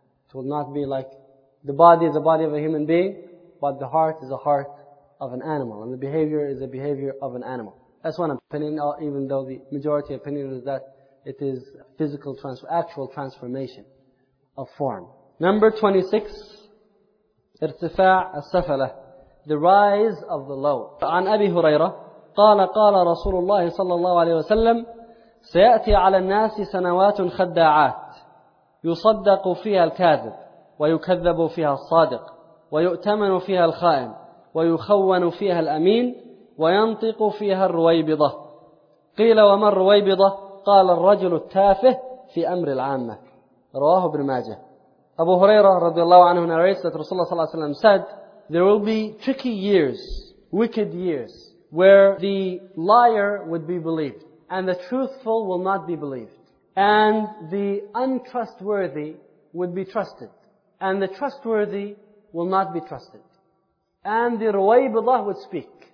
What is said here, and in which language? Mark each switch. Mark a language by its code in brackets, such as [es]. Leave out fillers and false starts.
[en] It would not be like the body is the body of a human being, but the heart is the heart of an animal. And the behavior is the behavior of an animal. That's one opinion, even though the majority opinion is that it is physical, actual transformation of form. Number 26, [ar] ارتفاع السفلة. [en] The rise of the low. [ar] عن أبي هريرة قال قال رسول الله صلى الله عليه وسلم سيأتي على الناس سنوات خداعات يصدق فيها الكاذب ويكذب فيها الصادق ويؤتمن فيها الخائن ويخون فيها الأمين وينطق فيها الرويبضة. قيل وما الرويبضة؟ قال الرجل التافه في أمر العامة. رواه ابن ماجه. [en] أبو هريرة رضي الله عنه narrates that Rasulullah صلى الله عليه وسلم said there will be tricky years, wicked years, where the liar would be believed and the truthful will not be believed and the untrustworthy would be trusted and the trustworthy will not be trusted and the ruwaybidah would speak.